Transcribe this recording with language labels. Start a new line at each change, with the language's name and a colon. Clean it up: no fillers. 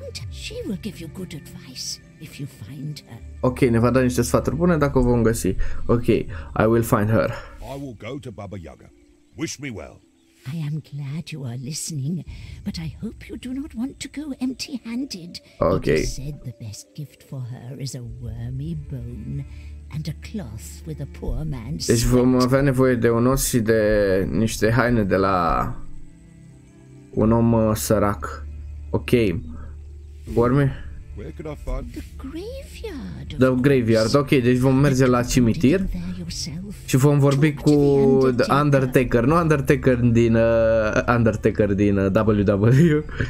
English: She will give you good advice if you find her.
Romanian: Ok, ne va da niște sfaturi bune dacă o vom găsi.
English: Ok, I will find her. I will go to Baba Yaga. Wish me well. I am glad you are listening, but I hope you do not want to go empty-handed. Ok. It is said the best gift for her is a wormy bone and a cloth with a poor man's sweat.
Romanian: Deci vom avea nevoie de un os și de niște haine de la un om sărac. Ok. Vorme?
English: Where could I find the graveyard? The graveyard.
Romanian: Ok, deci vom merge la cimitir și vom vorbi cu Undertaker, nu Undertaker din Undertaker din WWE.